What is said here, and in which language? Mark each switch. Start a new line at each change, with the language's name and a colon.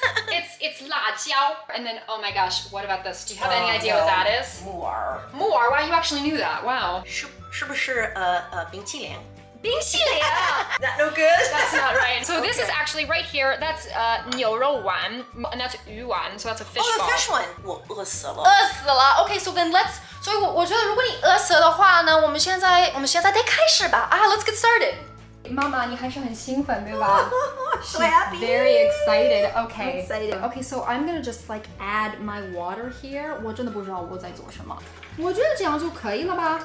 English: It's 辣椒 And then, oh my gosh, what about this? Do you have any idea what that is?
Chinese: 木耳
English: 木耳 Wow, you actually knew that. Wow.
Chinese: 是不是冰淇淋冰淇淋
English: Not no good. That's not right. So this、okay. is actually right here. That's 牛肉丸 and that's 鱼丸 So that's a fish ball. Oh, the fish one.
Chinese: 我饿死了。饿死了。
English: Okay, so then let's.
Chinese: 所以我觉得如果你饿死的话呢，我们现在得开始吧。
English: Let's get started.
Chinese: 妈妈，你还是很兴奋对吧？
English: She's very excited. Okay. I'm excited. Okay, so I'm gonna just like add my water here.
Chinese: 我真的不知道我在做什么。我觉得这样就可以了吧